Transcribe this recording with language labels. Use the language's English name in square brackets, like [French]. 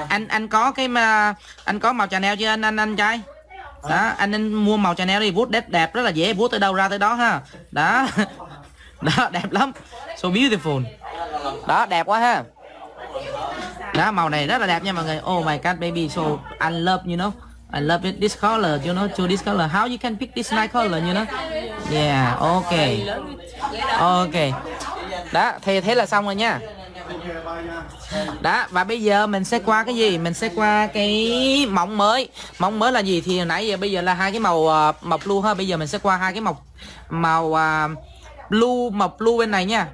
[Vietnamese] Anh có cái mà anh có màu Chanel chưa anh trai? Đó, anh nên mua màu Chanel đi, vuốt đẹp rất là dễ, vuốt tới đâu ra tới đó ha. Đó. Đó, đẹp lắm. [English] So beautiful. [Vietnamese] Đó, đẹp quá ha. Đó, màu này rất là đẹp nha mọi người. [English] Oh my god baby, so I love you know. I love it, this color, you know, to this color. How you can pick this nice color, you know? Yeah, okay. Okay. [Vietnamese] Đó, thì thế là xong rồi nha. Đó, và bây giờ mình sẽ qua cái gì? Mình sẽ qua cái móng mới. Móng mới là gì? Thì hồi nãy giờ bây giờ là hai cái màu blue ha. Bây giờ mình sẽ qua hai cái màu blue bên này nha.